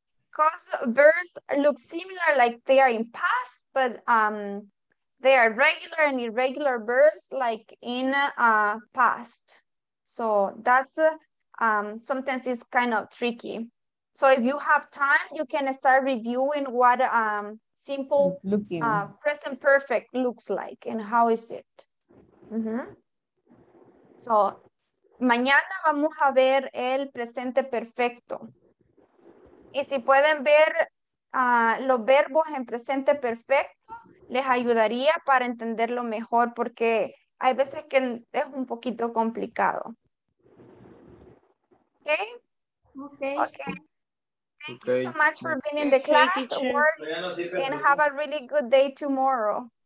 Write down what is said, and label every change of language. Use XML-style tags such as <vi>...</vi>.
<en>Because verbs look similar, like they are in past, but they are regular and irregular verbs like in past. So that's sometimes it's kind of tricky. So if you have time, you can start reviewing what simple present perfect looks like and how is it.</en> <es>So mañana vamos a ver el presente perfecto. Y si pueden ver los verbos en presente perfecto, les ayudaría para entenderlo mejor porque hay veces que es un poquito complicado.</es> <en>Okay. Okay. Okay. Thank you so much for being in the class. Work and have a really good day tomorrow.</en>